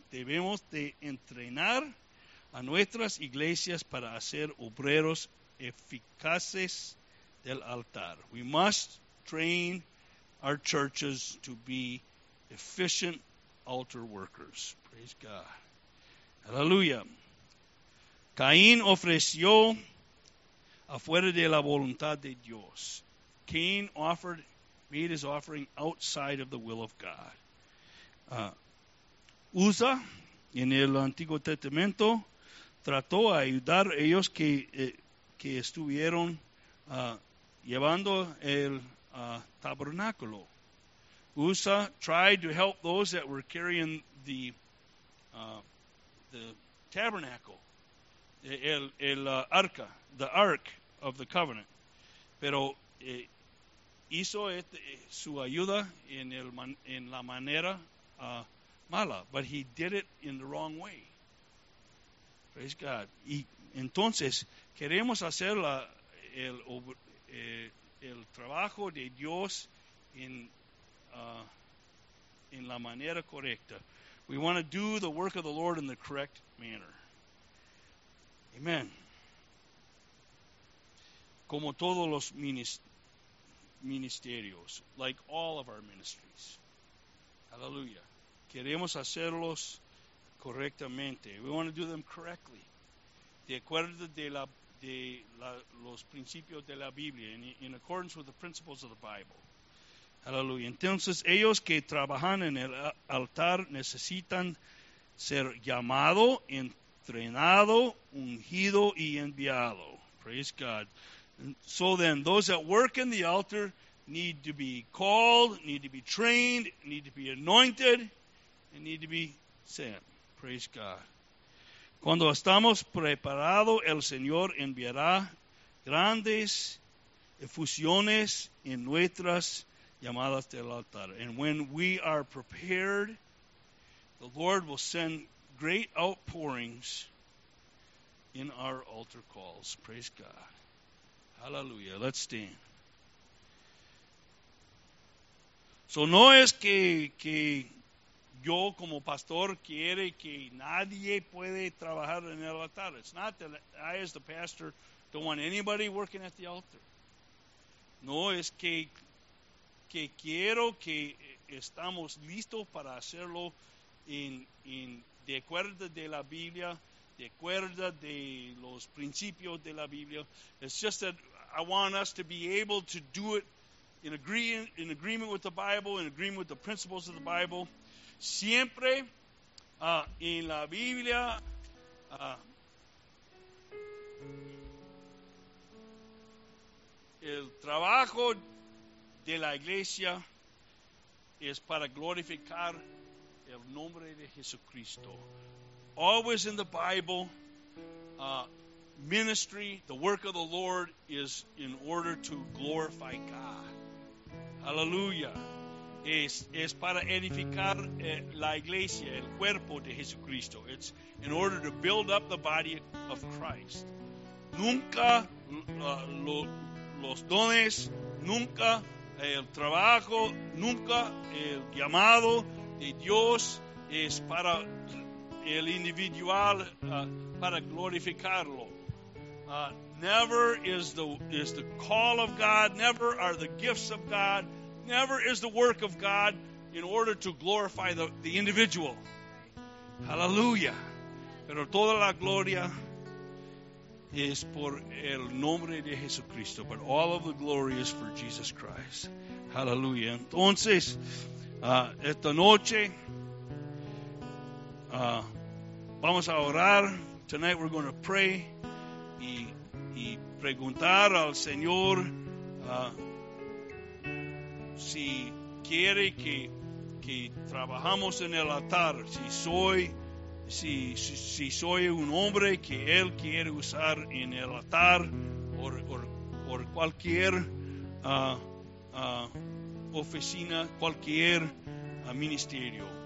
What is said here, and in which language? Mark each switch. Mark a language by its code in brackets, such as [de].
[es] Debemos de entrenar a nuestras iglesias para hacer obreros eficaces del altar. [en] We must train our churches to be efficient altar workers. Praise God. Hallelujah. [es] Caín ofreció afuera de la voluntad de Dios. [en] Cain offered, made his offering outside of the will of God. [es] Uza, en el Antiguo Testamento, trató a ayudar a ellos que estuvieron llevando el tabernáculo. [en] Uza tried to help those that were carrying the tabernacle, [es] el arca, [en] the ark of the covenant. [es] Pero hizo su ayuda en la manera mala, [en] but he did it in the wrong way. Praise God. [es] Y entonces, queremos hacer el trabajo de Dios en la manera correcta. [en] We want to do the work of the Lord in the correct manner. Amen. [es] Como todos los ministerios, [en] like all of our ministries. Hallelujah. [es] Queremos hacerlos correctamente. [en] We want to do them correctly. [es] De acuerdo de los principios de la Biblia, [en] in accordance with the principles of the Bible. Hallelujah. [es] Entonces, ellos que trabajan en el altar necesitan ser llamado, entrenado, ungido y enviado. [en] Praise God. So then, those that work in the altar need to be called, need to be trained, need to be anointed, and need to be sent. Praise God. [es] Cuando estamos preparados, el Señor enviará grandes efusiones en nuestras llamadas del altar. [en] And when we are prepared, the Lord will send great outpourings in our altar calls. Praise God. Hallelujah. Let's stand. So [es] no es que yo como pastor quiere que nadie puede trabajar en el altar. [en] It's not that I as the pastor don't want anybody working at the altar. [es] No es que quiero que estamos listos para hacerlo en de acuerdo de la Biblia, de acuerdo de los principios de la Biblia. [en] It's just that I want us to be able to do it in agreement with the Bible, in agreement with the principles of the Bible. [es] Siempre en la Biblia el trabajo de la iglesia es para glorificar el nombre de Jesucristo. [en] Always in the Bible, ministry, the work of the Lord is in order to glorify God. Hallelujah. [es] Es para edificar la iglesia, el cuerpo de Jesucristo. [en] It's in order to build up the body of Christ. [es] Nunca los dones, nunca el trabajo, nunca el llamado de Dios es para el individual, para glorificarlo. [en] Never is the call of God, never are the gifts of God, never is the work of God in order to glorify the individual. Hallelujah. [es] Pero toda la gloria es por el nombre de Jesucristo. [en] But all of the glory is for Jesus Christ. [es] Hallelujah. Entonces, esta noche, vamos a orar. [en] Tonight we're going to pray [es] y preguntar al Señor si quiere que trabajamos en el altar, si soy un hombre que Él quiere usar en el altar por cualquier oficina, cualquier ministerio.